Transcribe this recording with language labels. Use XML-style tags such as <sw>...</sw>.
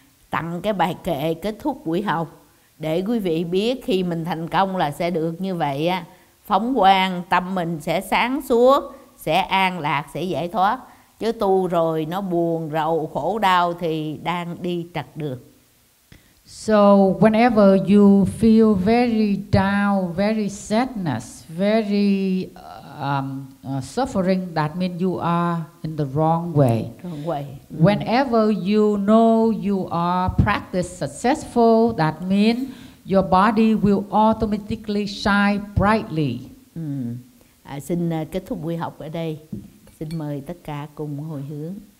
<vi>Tặng cái bài kệ kết thúc buổi học để quý vị biết khi mình thành công là sẽ được như vậy á, phóng quang tâm mình sẽ sáng suốt, sẽ an lạc, sẽ giải thoát. Chứ tu rồi nó buồn rầu khổ đau thì đang đi trật đường.</vi> <en>So whenever you feel very down, very sadness, very suffering, that means you are in the wrong way. Wrong way. Whenever you know you are practice successful, that means your body will automatically shine brightly.</en> <vi>Xin kết thúc buổi học ở đây. Xin mời tất cả cùng hồi hướng.</vi>